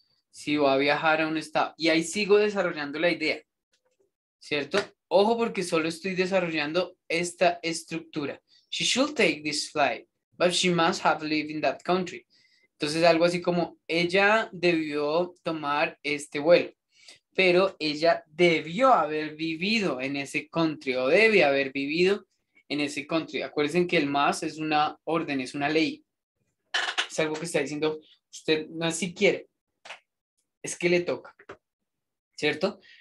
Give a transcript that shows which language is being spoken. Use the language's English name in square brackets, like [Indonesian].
[Spanish] Si va a viajar a un estado. Y ahí sigo desarrollando la idea, ¿cierto? Ojo, porque solo estoy desarrollando esta estructura. [English] She should take this flight, but she must have lived in that country. [Spanish] Entonces, algo así como, ella debió tomar este vuelo, pero ella debió haber vivido en ese country, o debe haber vivido en ese country. Acuérdense que el must es una orden, es una ley. Es algo que está diciendo usted, no si quiere, es que le toca, ¿cierto?